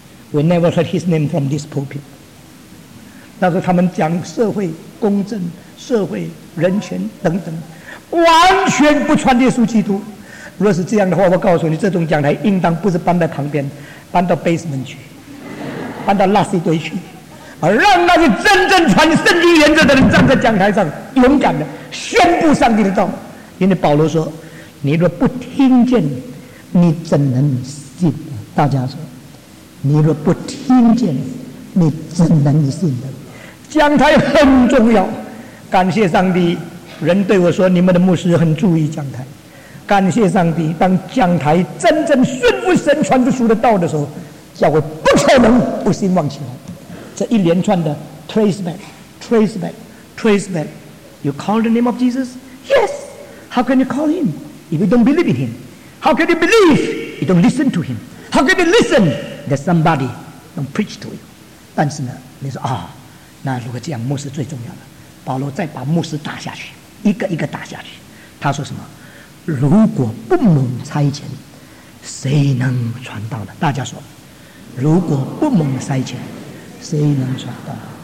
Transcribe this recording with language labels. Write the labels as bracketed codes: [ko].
[en] We never heard his name from this pulpit. [zh] 那时候他们讲社会公正、社会人权等等，完全不传耶稣基督。若是这样的话，我告诉你，这种讲台应当不是搬在旁边，搬到 basement 去，搬到垃圾堆去，而让那些真正传圣经原则的人站在讲台上，勇敢的宣布上帝的道。因为保罗说，你若不听见，你怎能信？大家说，你若不听见，你怎能信的？讲台很重要，感谢上帝，人对我说，你们的牧师很注意讲台。感谢上帝，当讲台真正顺服神传出书的道的时候，教会不可能不兴旺起来。这一连串的 [en] trace back， you call the name of Jesus? Yes. How can you call him if you don't believe in him? How can you believe if you don't listen to him? How can you listen that somebody don't preach to you? [zh] 但是呢，你说啊，那如果这样，牧师最重要了。保罗再把牧师打下去，一个一个打下去。他说什么？如果不蒙差遣，谁能传道呢？大家说，如果不蒙差遣，谁能传道？